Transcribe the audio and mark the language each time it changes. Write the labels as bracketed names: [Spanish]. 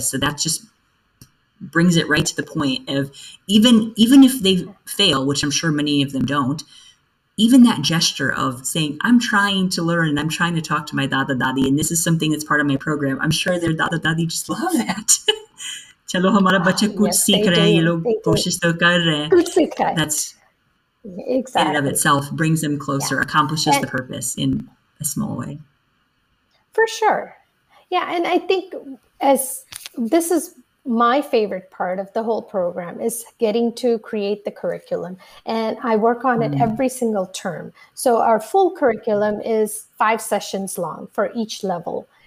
[English] So that just brings it right to the point of even if they fail, which I'm sure many of them don't, even that gesture of saying, I'm trying to learn and I'm trying to talk to my dada dadi, and this is something that's part of my program. I'm sure their dada dadi just love that. [Hindi] चलो हमारा बचा कुछ सीख रहे है, ये लोग कोशिश तो कर रहे. Kuch seekh rahe. [English] That's exactly. In and of itself brings them closer, accomplishes the purpose in a small way. For sure. Yeah. And I think as this is my favorite part of the whole program is getting to create the curriculum. And I work on it every single term. So our full curriculum is 5 sessions long for each level.